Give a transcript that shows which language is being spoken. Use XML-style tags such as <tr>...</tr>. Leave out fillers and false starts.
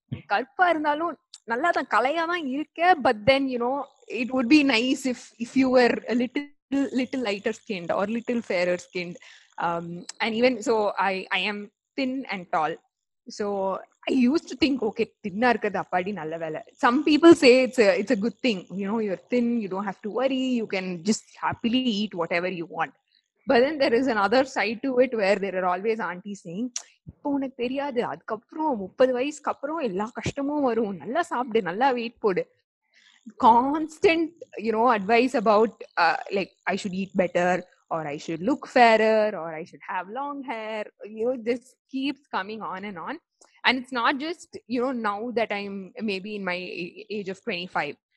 <ta>Kalpa irundhalum nalla than kalaiya dhaan iruke,</ta> <en>but then you know, it would be nice if you were a little lighter skinned or little fairer skinned. And even so, I am thin and tall. So I used to think, okay,</en> <ta>thinna irukadhu appadi nalla vela.</ta> <en>Some people say it's a good thing. You know, you're thin, you don't have to worry, you can just happily eat whatever you want. But then there is another side to it where there are always aunties saying,</en> <ta>இப்போ உனக்கு தெரியாது, அதுக்கப்புறம் 30 வயசுக்கு அப்புறம் எல்லா கஷ்டமும் வரும், நல்லா சாப்பிடு, நல்லா வெயிட் போடு.</ta> <en>Constant, you know, advice about like I should eat better, or I should look fairer, or I should have long hair. You know, this keeps coming on and on. And it's not just, you know, now that I'm maybe in my age of 25.</en>